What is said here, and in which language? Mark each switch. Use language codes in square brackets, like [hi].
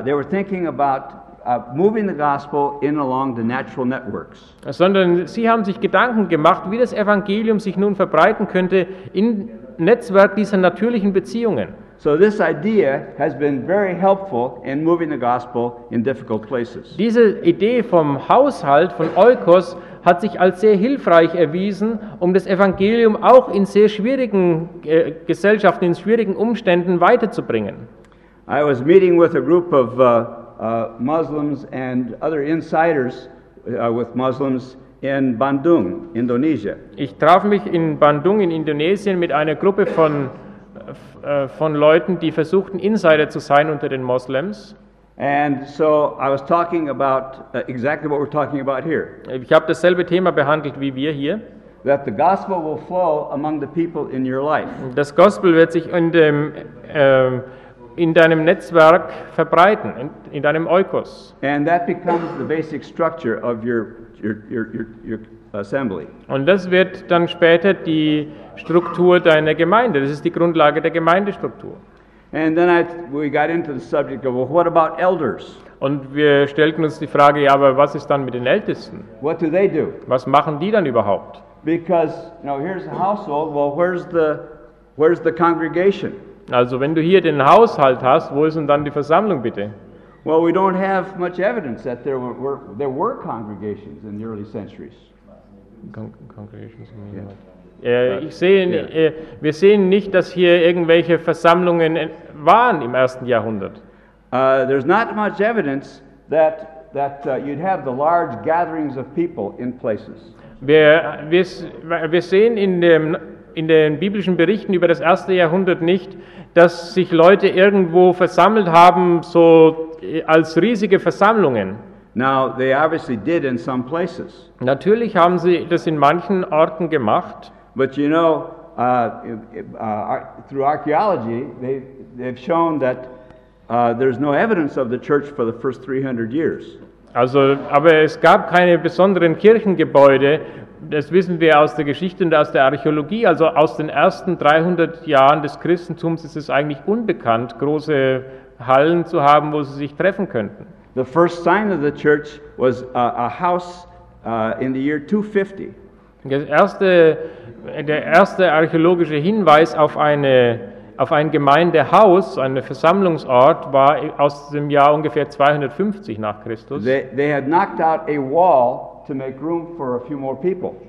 [en] They were thinking about moving the gospel in along the natural networks. [de] Sondern sie haben sich Gedanken gemacht, wie das Evangelium sich nun verbreiten könnte im Netzwerk dieser natürlichen Beziehungen. [en] So this idea has been very helpful in moving the gospel in difficult places. [de] Diese Idee vom Haushalt von Oikos hat sich als sehr hilfreich erwiesen, um das Evangelium auch in sehr schwierigen Gesellschaften, in schwierigen Umständen weiterzubringen. [en] I was meeting with a group of Muslims and other insiders with Muslims in Bandung, Indonesia. [de] Ich traf mich in Bandung in Indonesien mit einer Gruppe von Leuten, die versuchten Insider zu sein unter den Moslems. [en] And so I was talking about exactly what we're talking about here. [de] Ich habe dasselbe Thema behandelt wie wir hier. [en] That the gospel will flow among the people in your life. [de] Das Gospel wird sich in deinem Netzwerk verbreiten, in deinem Oikos. [en] And that becomes the basic structure of your assembly. [de] Und das wird dann später die Struktur deiner Gemeinde. Das ist die Grundlage der Gemeindestruktur. [en] And then we got into the subject of, well, what about elders? [de] Und wir stellten uns die Frage, ja, aber was ist dann mit den Ältesten? [en] What do they do? [de] Was machen die dann überhaupt? [en] Because, you know, here's a household, well, where's the congregation? [de] Also, wenn du hier den Haushalt hast, wo ist denn dann die Versammlung bitte? [en] Well, we don't have much evidence that there were congregations in the early centuries. Congregations in the early centuries. [de] Wir sehen nicht, dass hier irgendwelche Versammlungen waren im ersten Jahrhundert. [en] There's not much evidence that you'd have the large gatherings of people in places. [de] Wir sehen in den biblischen Berichten über das erste Jahrhundert nicht, dass sich Leute irgendwo versammelt haben, so als riesige Versammlungen. [en] Now they obviously did in some places. [de] Natürlich haben sie das in manchen Orten gemacht. [en] But you know, through archaeology, they've shown that there's no evidence of the church for the first 300 years. [de] Also, aber es gab keine besonderen Kirchengebäude. Das wissen wir aus der Geschichte und aus der Archäologie. Also aus den ersten 300 Jahren des Christentums ist es eigentlich unbekannt, große Hallen zu haben, wo sie sich treffen könnten. [en] The first sign of the church was a house in the year 250. [de] Der erste archäologische Hinweis auf ein Gemeindehaus, einen Versammlungsort, war aus dem Jahr ungefähr 250 nach Christus. [en] They had knocked out a wall to make room for a few more people.